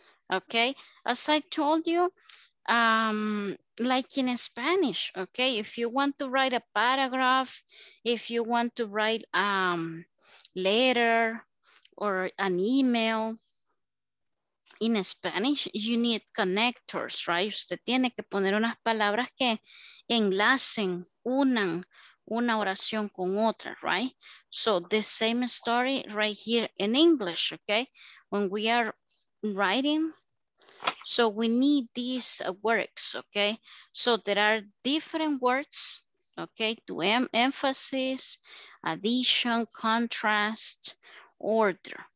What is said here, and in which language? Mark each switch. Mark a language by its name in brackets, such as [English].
[English] Okay, as I told you, like in Spanish, okay, if you want to write a paragraph, if you want to write a letter or an email in Spanish, you need connectors, right? [Spanish] Usted tiene que poner unas palabras que enlacen, unan una oración con otra, right? [English] So the same story right here in English, okay? When we are writing, so we need these works, okay? So there are different words, okay? To emphasis, addition, contrast, order.